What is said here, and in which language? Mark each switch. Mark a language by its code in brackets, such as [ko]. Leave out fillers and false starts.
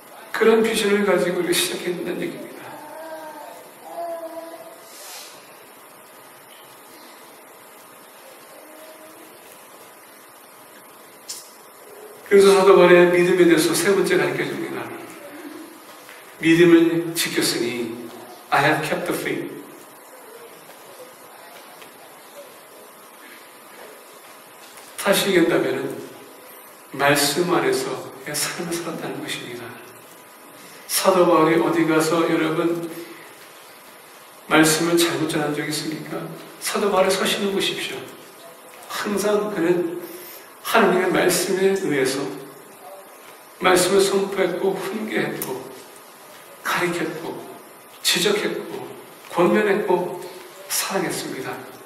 [ko] 그런 비전을 가지고 우리가 시작했다는 얘기입니다. 그래서 사도바울의 믿음에 대해서 세 번째 가르쳐줍니다. 믿음을 지켰으니 [en] I have kept the faith. [ko] 다시 얘기한다면 말씀 안에서 삶을 살았다는 것입니다. 사도바울이 어디 가서 여러분 말씀을 잘못 전한 적이 있습니까? 사도바울의 서신을 보십시오. 항상 그는 하나님의 말씀에 의해서 말씀을 선포했고 훈계했고 가리켰고 지적했고 권면했고 사랑했습니다.